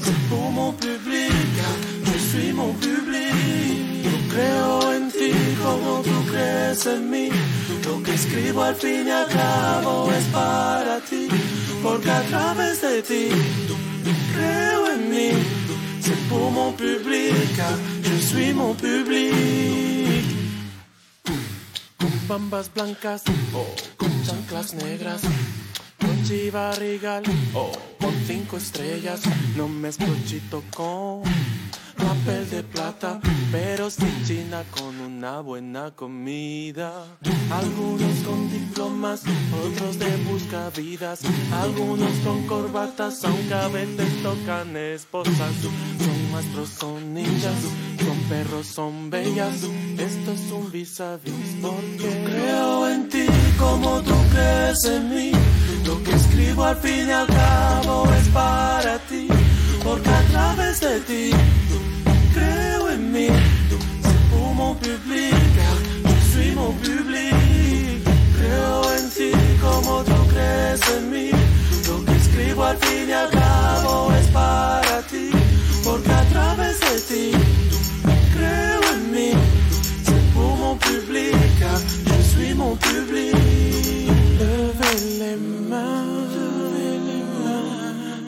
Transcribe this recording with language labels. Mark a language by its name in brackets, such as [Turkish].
[Spanish] Tú me publicas, yo soy mi público. Creo en ti como tú crees en mí. Lo que escribo al fin y al cabo es para ti, porque a través de ti creo en mí. [French] C'est pour mon public, je suis mon public. [Spanish] Con bambas blancas o con chanclas negras, con chivarrigal o con cinco estrellas, no me escuchito con papel de plata, pero sin China, con una buena comida. Algunos con diplomas, otros de buscavidas, algunos con corbatas, aunque a veces tocan esposas. Son maestros, son ninjas, son perros, son bellas. Esto es un vis-a-vis, porque creo en ti como tú crees en mí. Lo que escribo al fin y al cabo es para ti, porque a través de ti creo en mí. [French] C'est pour mon public, je suis mon public. [Spanish] Creo en ti como tú crees en mí. Lo que escribo al fin y al cabo es para ti, porque a través de ti creo en mí. [French] C'est pour mon public, je suis mon public. Levez les mains, levez les mains.